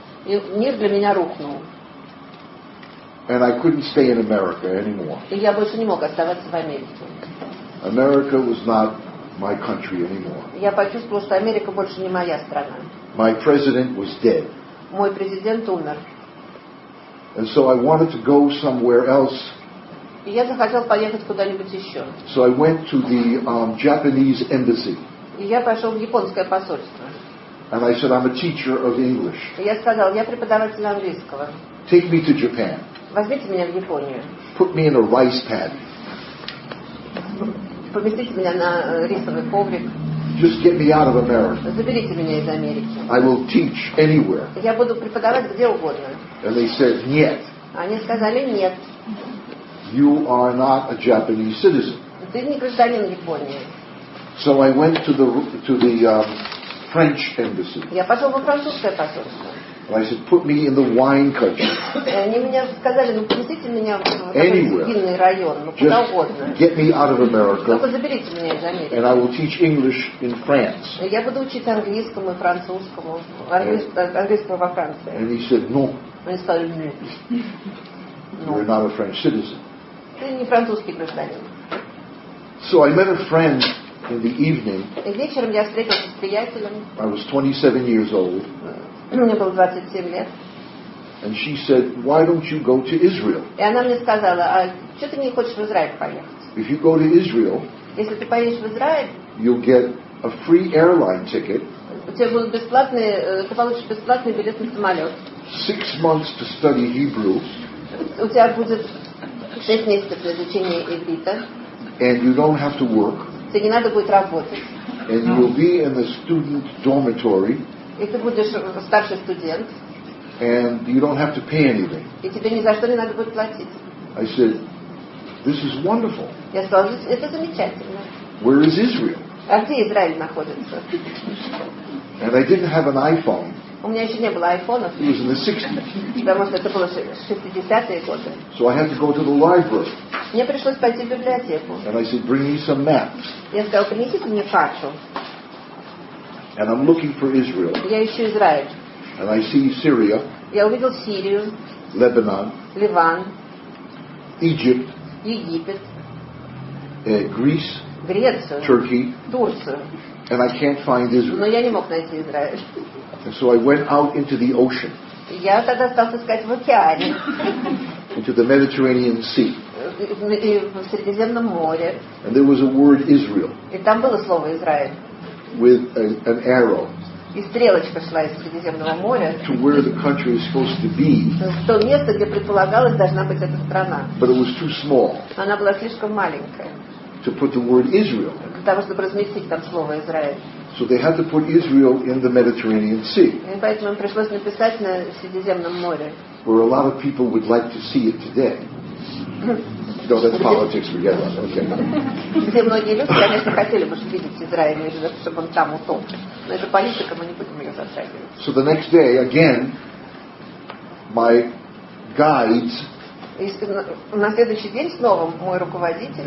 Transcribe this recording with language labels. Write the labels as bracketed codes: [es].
[ru] И мир для меня рухнул. [en] And I couldn't stay in America anymore. [ru] И я больше не мог оставаться в Америке. [en] America was not my country anymore. [ru] Я почувствовал, что Америка больше не моя страна. [en] My president was dead. [ru] Мой президент умер. [en] And so I wanted to go somewhere else. [ru] И я захотел поехать куда-нибудь еще. [en] So I went to the Japanese embassy. [ru] И я пошел в японское посольство. [en] And I said, I'm a teacher of English. [ru] И я сказал, я преподаватель английского. [en] Take me to Japan. [ru] Возьмите меня в Японию. [en] Put me in a rice paddy. [ru] Поместите меня на рисовый коврик. [en] Just get me out of America. [ru] Заберите меня из Америки. [en] I will teach anywhere. [ru] Я буду преподавать где угодно. [en] And they said, [ru] нет. Они сказали, нет. [en] You are not a Japanese citizen. [ru] Ты не гражданин Японии. [en] So I went to the French embassy. [ru] Я пошел во французское посольство. [en] And I said, put me in the wine country. [ru] Они мне сказали, ну поместите меня в такой винный район, ну куда угодно. [en] Get me out of America. [ru] Только заберите меня из Америки. [en] And I will teach English in France. [ru] Я буду учить английскому и французскому, английскому во Франции. [en] And he said, no. [ru] Они сказали, нет. [en] You are not a French citizen. [ru] Ты не французский гражданин. [en] So I met a friend in the evening. [ru] И вечером я встретился с приятелем. [en] I was 27 years old. [ru] Мне было 27 лет. [en] And she said, why don't you go to Israel? [ru] И она мне сказала, а что ты не хочешь в Израиль поехать? [en] If you go to Israel, [ru] если ты поедешь в Израиль, [en] you'll get a free airline ticket. [ru] Ты получишь бесплатный билет на самолет. [en] 6 months to study Hebrew. [ru] У тебя будет 6 месяцев для изучения иврита. [en] And you don't have to work. [ru] Тебе не надо будет работать. [en] And you will be in the student dormitory. [ru] И ты будешь старший студент. [en] And you don't have to pay anything. [ru] И тебе ни за что не надо будет платить. [en] I said, this is wonderful. [ru] Я сказал, это замечательно. [en] Where is Israel? [ru] А где Израиль находится? [en] And I didn't have an iPhone. [ru] У меня еще не было iPhone. [en] It was in the 60s. [ru] Потому что это было 60-е годы. [en] So I had to go to the library. [ru] Мне пришлось пойти в библиотеку. [en] And I said, bring me some maps. [ru] Я сказал, принесите мне карту. [en] And I'm looking for Israel. [ru] Я ищу Израиль. [en] And I see Syria. [ru] Я увидел Сирию. [en] Lebanon. [ru] Ливан. [en] Egypt. [ru] Египет. [en] Greece. [ru] Грецию. [en] Turkey. [ru] Турцию. [en] And I can't find Israel. [ru] Но я не мог найти Израиль. [en] And so I went out into the ocean. [ru] Я тогда стал искать в океане. [en] Into the Mediterranean Sea. [ru] И в Средиземном море. [en] And there was a word Israel. [ru] И там было слово Израиль. [en] With an arrow. [ru] И стрелочка шла из Средиземного моря. [en] To where the country is supposed to be. [ru] В то место, где предполагалось должна быть эта страна. [en] But it was too small. [ru] Она была слишком маленькая. [en] To put the word Israel. [ru] Для того, чтобы разместить там слово Израиль. [en] So they had to put Israel in the Mediterranean Sea. [ru] И поэтому им пришлось написать на Средиземном море. [en] Where a lot of people would like to see it today. No, that's politics. We get on. Okay. [ru] Все многие люди, конечно, хотели бы видеть Израиль, чтобы он там утонул. Но это политика, мы не будем ее затрагивать. [en] So the next day, again, my guides. [ru] И на следующий день снова мой руководитель.